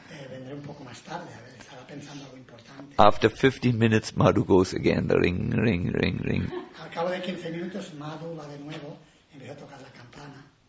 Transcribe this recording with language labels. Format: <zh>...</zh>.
<es>Vendré un poco más tarde, a ver, estará pensando algo importante.</es> <en>After 15 minutes, Madhu goes again, ring, ring, ring, ring.</en> <es>Al cabo de 15 minutos, Madhu va de nuevo, empieza a tocar la campana.</es>